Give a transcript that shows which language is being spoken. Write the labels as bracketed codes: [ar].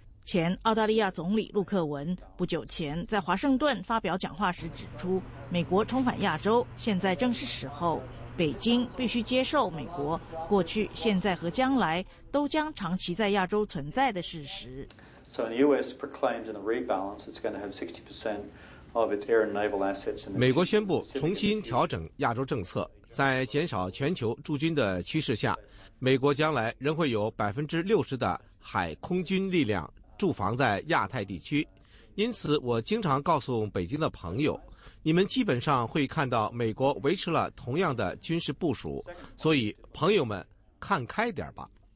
[zh] 前澳大利亚总理陆克文不久前在华盛顿发表讲话时指出，美国重返亚洲现在正是时候，北京必须接受美国过去、现在和将来都将长期在亚洲存在的事实。 [en] So the U.S. proclaimed in the rebalance it's going to have 60% of its air and naval assets. [zh] 美国宣布重新调整亚洲政策，在减少全球驻军的趋势下，美国将来仍会有60%的海空军力量驻防在亚太地区。因此，我经常告诉北京的朋友，你们基本上会看到美国维持了同样的军事部署，所以朋友们看开点吧。